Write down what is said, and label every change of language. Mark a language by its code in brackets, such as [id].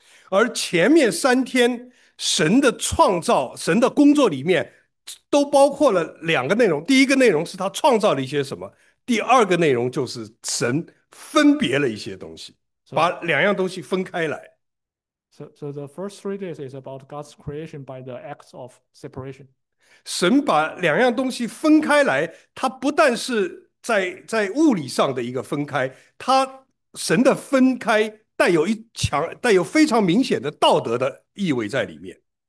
[zh] 而前面三天，神的创造、神的工作里面都包括了两个内容：第一个内容是他创造了一些什么；第二个内容就是神分别了一些东西，把两样东西分开来。 [en] So the first 3 days is about God's creation by the acts of separation. [zh] 神把两样东西分开来，它不但是在物理上的一个分开，它神的分开带有非常明显的道德的意味在里面。